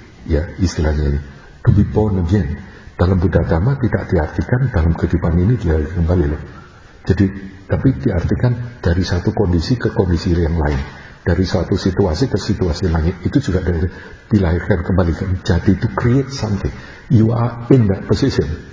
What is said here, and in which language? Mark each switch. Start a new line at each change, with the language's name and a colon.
Indonesian: ya istilahnya ini,
English: to be born again.
Indonesian: Dalam Buddha Dhamma tidak diartikan dalam kehidupan ini dia kembali loh. Jadi tapi diartikan dari satu kondisi ke kondisi yang lain, dari satu situasi ke situasi lain, itu juga dari dilahirkan kembali. Jadi
English: to create something, you are in that position.